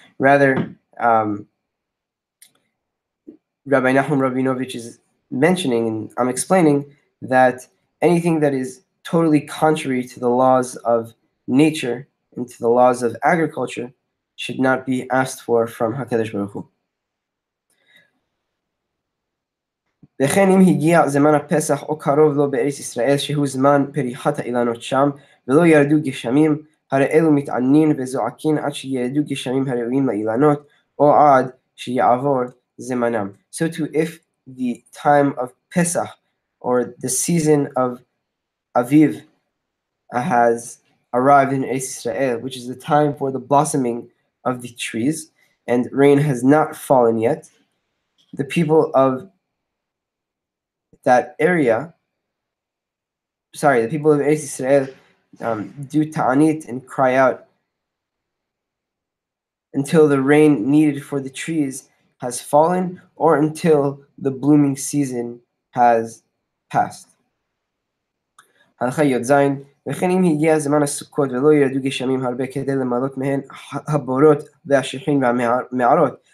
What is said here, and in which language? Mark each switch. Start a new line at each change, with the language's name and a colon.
English: Rather, Rabbi Nachum Rabinovich is mentioning, and I'm explaining, that anything that is totally contrary to the laws of nature and to the laws of agriculture should not be asked for from HaKadosh Baruch Hu.
Hebrew: וכן אם הגיע זמן הפסח או קרוב לו בארץ ישראל שהוא זמן פריחת האילנות שם ולא ירדו גשמים, הרי אלו מתענין וזועקין עד שירדו גשמים הראויים לאילנות או עד שיעבור זמנם.
English: So too, if the time of Pesach or the season of Aviv has arrived in Eretz Israel, which is the time for the blossoming of the trees, and rain has not fallen yet, the people of that area, the people of Eretz Israel do ta'anit and cry out until the rain needed for the trees has fallen, or until the blooming season has passed.
Hebrew: הלכה י' ז', וכן אם הגיע זמן הסוכות ולא ירדו גשמים הרבה כדי למלות מהן הבורות והשיחין והמערות.